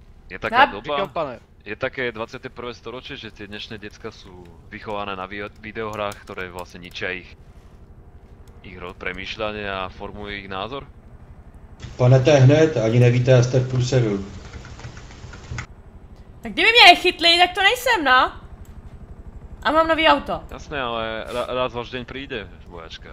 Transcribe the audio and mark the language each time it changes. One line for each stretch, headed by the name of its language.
Slovak: Je taká doba, je také 21. storočie, že tie dnešné decka sú vychované na videohrách, ktoré vlastne ničia ich premýšľanie a formujú ich názor?
Czech: Pane, to je hned, ani nevíte, ste v průseru. Tak kdyby mě nechytli, tak to nejsem, no. A mám nový auto.
Slovak: Jasné, ale raz váš deň príde, vojačka.